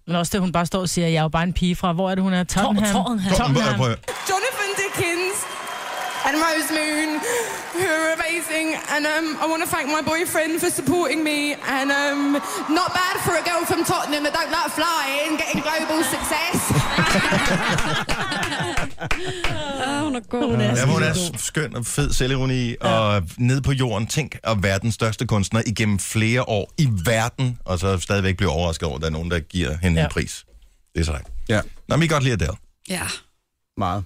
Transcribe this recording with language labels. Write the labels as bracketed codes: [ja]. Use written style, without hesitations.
[da] Men også det, hun bare står og siger, jeg er jo bare en pige fra... Hvor er det, hun er? Tottenham. Tottenham. [en] Jonathan Dickens. and Rose Moon, who are amazing. And I want to thank my boyfriend for supporting me. And not bad for a girl from Tottenham that don't like flying, getting global success. [da] Hun er skøn og fed selvironi, og ned på jorden, tænk at være den største kunstner igennem flere år i verden, og så stadigvæk bliver overrasket over, at der er nogen, der giver hende en pris. Det er sejt. Ja. Nå, men I godt lide Adele. Ja. Meget.